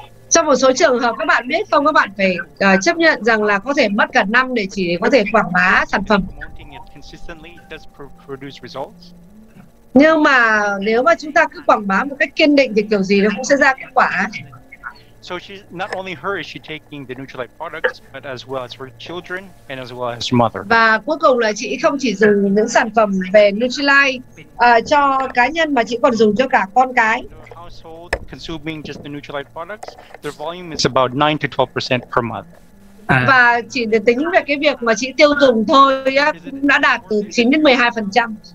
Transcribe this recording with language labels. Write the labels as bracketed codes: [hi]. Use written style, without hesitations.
[vi] Trong một số trường hợp các bạn biết không, các bạn phải chấp nhận rằng là có thể mất cả năm để chỉ có thể quảng bá sản phẩm. [en] Promoting it consistently does produce results. [vi] Nhưng mà nếu mà chúng ta cứ quảng bá một cách kiên định thì kiểu gì nó cũng sẽ ra kết quả. [en] So she's not only her is she taking the Nutrilite products, but as well as her children and as well as her mother. [vi] Và cuối cùng là chị không chỉ dùng những sản phẩm về Nutrilite cho cá nhân mà chị còn dùng cho cả con cái. [en] The household consuming just the Nutrilite products, their volume is about 9 to 12% per month. [vi] Và chỉ để tính về cái việc mà chị tiêu dùng thôi á, đã đạt từ 9 đến 12%.